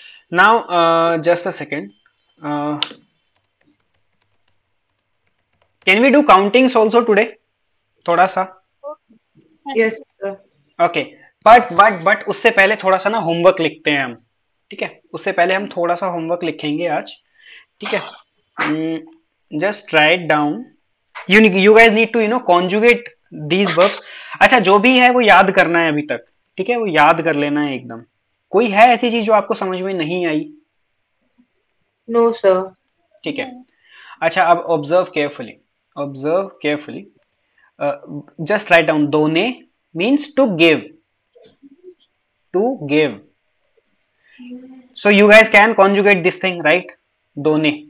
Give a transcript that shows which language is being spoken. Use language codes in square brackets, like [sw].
[en] Now, just a second. Can we do countings also today? [hi] थोड़ा सा. [en] Yes, sir. Okay. [hi] But उससे पहले थोड़ा सा ना होमवर्क लिखते हैं हम, ठीक है, उससे पहले हम थोड़ा सा होमवर्क लिखेंगे आज, ठीक है. [en] Just write down. You guys need to, you know, conjugate these verbs. [hi] अच्छा, जो भी है वो याद करना है अभी तक, ठीक है, वो याद कर लेना है एकदम. कोई है ऐसी चीज जो आपको समझ में नहीं आई? [en] No sir. [hi] ठीक है, अच्छा, अब [en] Observe carefully, observe carefully, just write down. दोने means to give, to give, so you guys can conjugate this thing right, दोने.